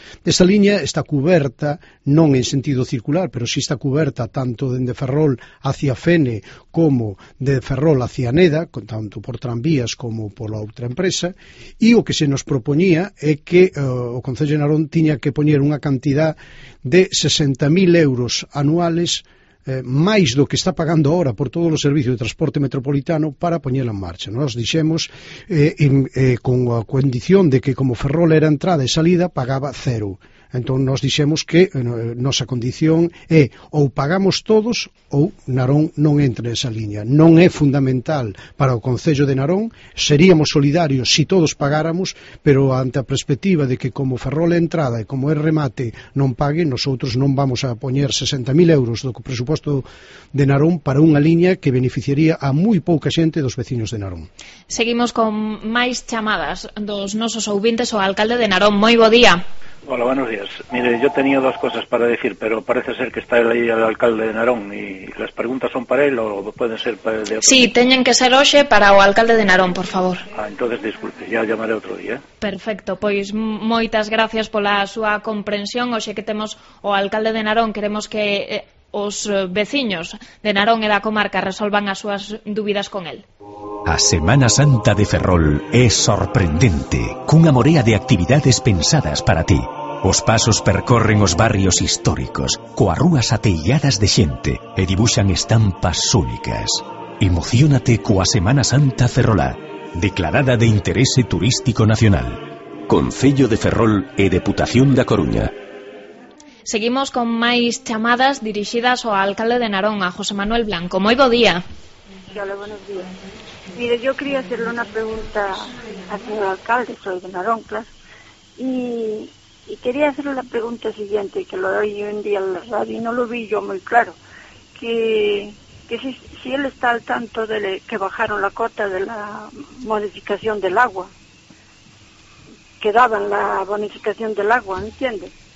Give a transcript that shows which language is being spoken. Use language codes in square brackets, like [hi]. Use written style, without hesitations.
[gl] Esta liña está cuberta, non en sentido circular, pero si está cuberta tanto dende Ferrol hacia Fene como de Ferrol hacia Neda, tanto por tranvías como por la outra empresa, e o que se nos propoñía é que o Concello de Narón tiña que poñer unha cantidad de 60.000 euros anuales máis do que está pagando ahora por todos os servicios de transporte metropolitano para poñela en marcha. Nos dixemos con a condición de que como Ferrol era entrada e salida pagaba cero. Entón nos dixemos que nosa condición é ou pagamos todos ou Narón non entra nesa liña. Non é fundamental para o Concello de Narón, seríamos solidarios se todos pagáramos, pero ante a perspectiva de que como Ferrol é entrada e como é remate non pague, nosotros non vamos a poñer 60.000 euros do presupuesto de Narón para unha liña que beneficiaría a moi pouca xente dos veciños de Narón. Seguimos con máis chamadas dos nosos ouvintes ao alcalde de Narón. Moi bo día. [es] Hola, buenos días. Mire, yo tenía dos cosas para decir, pero parece ser que está ahí el alcalde de Narón y las preguntas son para él o pueden ser para el de otro. [gl] Sí, teñen que ser hoxe para o alcalde de Narón, por favor. [es] Ah, entonces disculpe, ya llamaré otro día. [gl] Perfecto, pois moitas gracias pola súa comprensión. Hoxe que temos o alcalde de Narón, queremos que os veciños de Narón e da comarca resolvan as súas dúbidas con él. A Semana Santa de Ferrol é sorprendente, cunha morea de actividades pensadas para ti. Os pasos percorren os barrios históricos, coa rúas ateilladas de xente e dibuxan estampas únicas. Emocionate coa Semana Santa Ferrolá, declarada de interese turístico nacional. Concello de Ferrol e Deputación da Coruña. Seguimos con máis chamadas dirixidas ao alcalde de Narón, a José Manuel Blanco. Moi bo día. [es] Hola, buenos días. Mire, yo quería hacerle una pregunta al señor alcalde, soy de Narón, claro, y quería hacerle la pregunta siguiente, que lo oí un día en la radio y no lo vi yo muy claro, que si él está al tanto de que bajaron la cota de la bonificación del agua, que daban la bonificación del agua, ¿entiende?